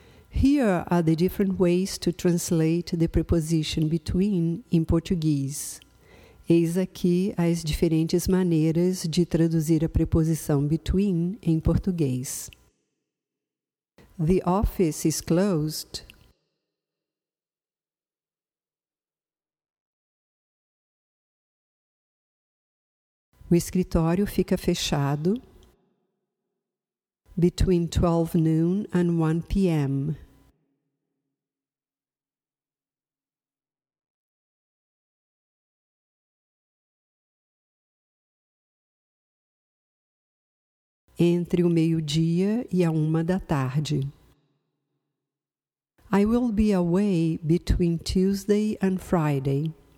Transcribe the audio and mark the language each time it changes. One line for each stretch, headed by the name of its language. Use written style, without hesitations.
English: Here are the different ways to translate the preposition between in Portuguese.
Portuguese: Eis aqui as diferentes maneiras de traduzir a preposição between em português.
English: The office is closed.
Portuguese: O escritório fica fechado.
English: Between 12 noon and 1 p.m.
Portuguese: Entre o meio-dia e a uma da tarde.
English: I will be away between Tuesday and Friday.